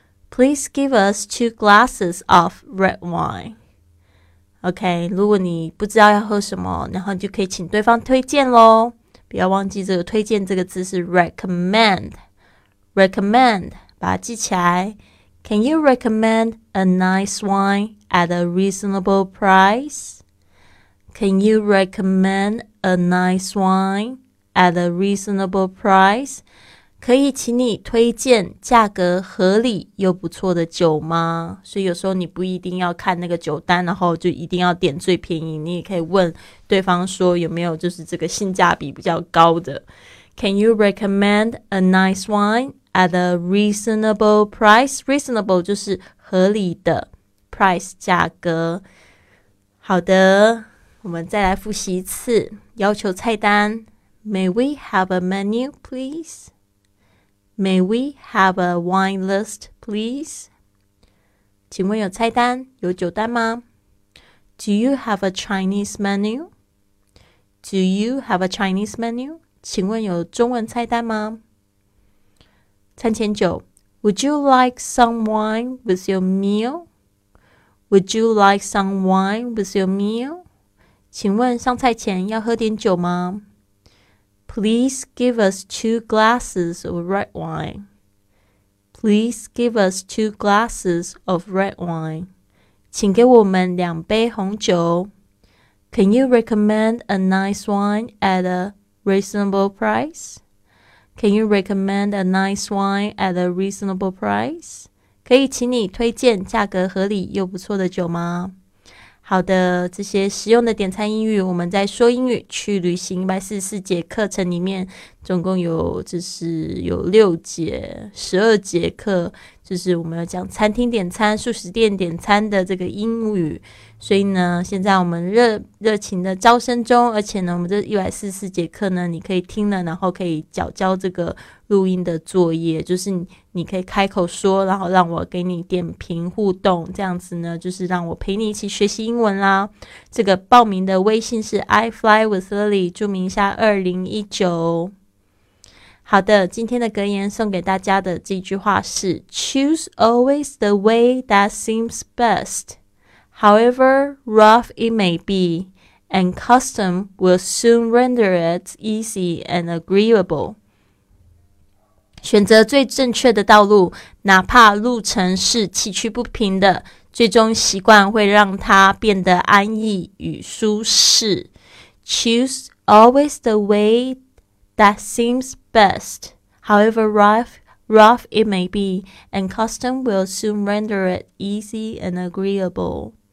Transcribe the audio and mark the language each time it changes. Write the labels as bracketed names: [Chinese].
[English] Please give us 2 glasses of red wine. [Chinese] OK, 如果你不知道要喝什么，然后你就可以请对方推荐咯。不要忘记这个推荐这个字是 recommend. Recommend, 把它记起来。 [English] Can you recommend a nice wine at a reasonable price? Can you recommend a nice wine at a reasonable price? [Chinese] 可以请你推荐价格合理又不错的酒吗？所以有时候你不一定要看那个酒单，然后就一定要点最便宜，你也可以问对方说有没有就是这个性价比比较高的。 [English] Can you recommend a nice wine at a reasonable price? [Chinese] Reasonable 就是合理的 price 价格。好的，我们再来复习一次，要求菜单 [English] May we have a menu, please? May we have a wine list, please? [Chinese] 请问有菜单，有酒单吗？ [English] Do you have a Chinese menu? Do you have a Chinese menu? [Chinese] 请问有中文菜单吗？餐前酒 [English] Would you like some wine with your meal? Would you like some wine with your meal? [Chinese] 请问上菜前要喝点酒吗? [English] Please give us 2 glasses of red wine. Please give us 2 glasses of red wine. [Chinese] 请给我们两杯红酒。 [English] Can you recommend a nice wine at a reasonable price? Can you recommend a nice wine at a reasonable price? [Chinese] 可以请你推荐价格合理又不错的酒吗？好的，这些实用的点餐英语，我们在说英语去旅行144节课程里面，总共有就是有6节、12节课，就是我们要讲餐厅点餐、素食店点餐的这个英语。所以呢，现在我们热情的招生中，而且呢，我们这144节课呢，你可以听了，然后可以缴交这个录音的作业，就是你可以开口说，然后让我给你点评互动，这样子呢，就是让我陪你一起学习英文啦。这个报名的微信是 I Fly with Lily， 注明一下2019。好的，今天的格言送给大家的这句话是 [English] Choose always the way that seems best, however rough it may be, and custom will soon render it easy and agreeable. [Chinese] 选择最正确的道路，哪怕路程是崎岖不平的，最终习惯会让它变得安逸与舒适。 [English] Choose always the way that seems best, however rough it may be, and custom will soon render it easy and agreeable.